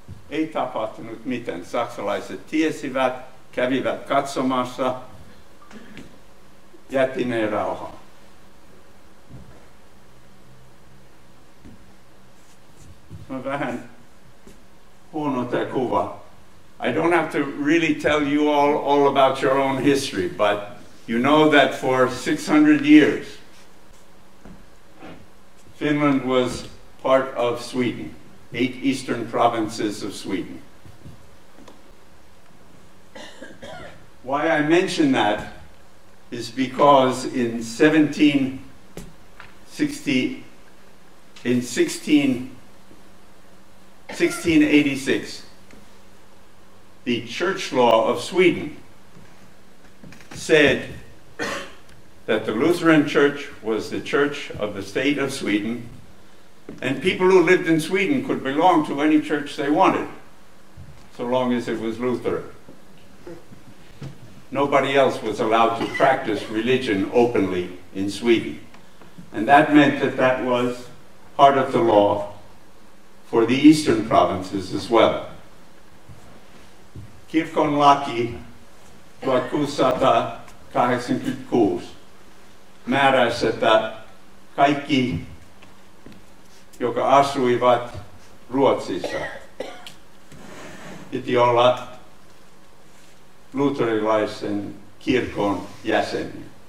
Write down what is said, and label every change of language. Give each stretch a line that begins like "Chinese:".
Finnish: Ei tapahtunut mitään. Saksalaiset tiesivät, kävivät katsomassa, jätti ne rauhaan. Se on vähän huono tämä kuva.
English: I don't have to really tell you all about your own history, but you know that for 600 years, Finland was part of Sweden, 8 eastern provinces of Sweden. Why I mention that is because in 1686, the church law of Sweden said that the Lutheran church was the church of the state of Sweden, and people who lived in Sweden could belong to any church they wanted, so long as it was Lutheran. Nobody else was allowed to practice religion openly in Sweden. And that meant that that was part of the law for the eastern provinces as well.
Finnish: Kirkonlaki 1686 määräsi, että kaikki, jotka asuivat Ruotsissa, piti olla luterilaisen kirkon jäseniä.